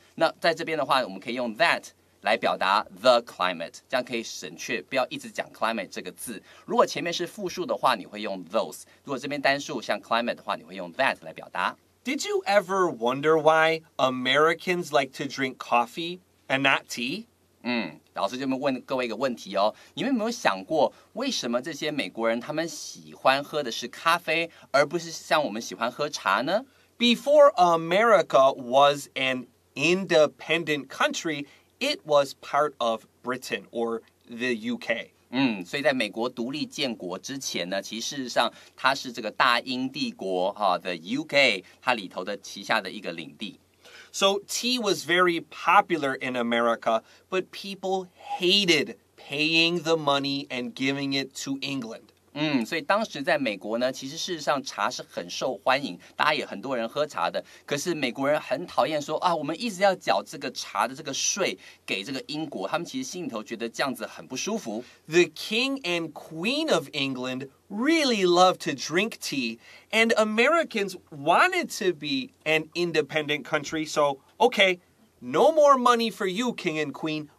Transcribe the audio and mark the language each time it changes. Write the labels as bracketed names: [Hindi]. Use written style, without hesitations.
[Chinese] 那在这边的话，我们可以用 that 来表达 the climate， 这样可以省却不要一直讲 climate 这个字。如果前面是复数的话，你会用 those； 如果这边单数像 climate 的话，你会用 that 来表达。 [English] Did you ever wonder why Americans like to drink coffee and not tea? [Chinese] 老师就问各位一个问题哦，你们有没有想过为什么这些美国人他们喜欢喝的是咖啡而不是像我们喜欢喝茶呢？ [English] Before America was an independent country, it was part of Britain or the UK. [Chinese] 所以在美国独立建国之前呢，其实事实上它是这个大英帝国、the UK 它里头的旗下的一个领地。 [English] So tea was very popular in America, but people hated paying the money and giving it to England. [Chinese] 所以当时在美国呢，其实事实上茶是很受欢迎，大家也很多人喝茶的。可是美国人很讨厌说啊，我们一直要缴这个茶的这个税给这个英国，他们其实心里头觉得这样子很不舒服。 [English] The King and Queen of England really loved to drink tea, and Americans wanted to be an independent country. So, okay, no more money for you, King and Queen.